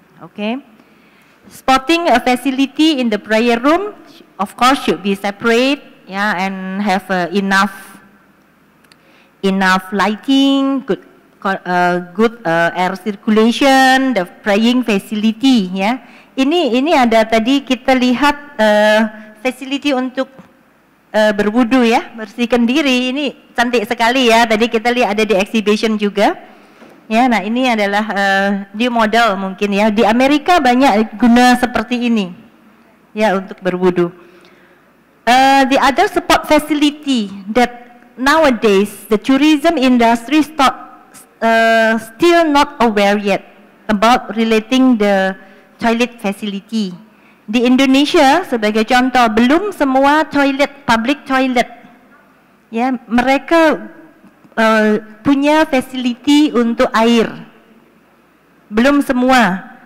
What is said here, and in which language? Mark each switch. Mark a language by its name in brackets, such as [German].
[English] Okay, spotting a facility in the prayer room of course should be separate, yeah, and have enough lighting, good good air circulation, the praying facility, ya. [Indonesian] Ini ada tadi kita lihat facility untuk berwudu ya, bersihkan diri. Ini cantik sekali ya. Tadi kita lihat ada di exhibition juga. Ya, nah ini adalah new model mungkin ya. Di Amerika banyak guna seperti ini. Ya, untuk berwudu. [English] The other support facility that nowadays the tourism industry still not aware yet about relating the toilet facility. [Indonesian] Di Indonesia sebagai contoh, belum semua toilet, public toilet, ya, mereka punya facility untuk air. Belum semua.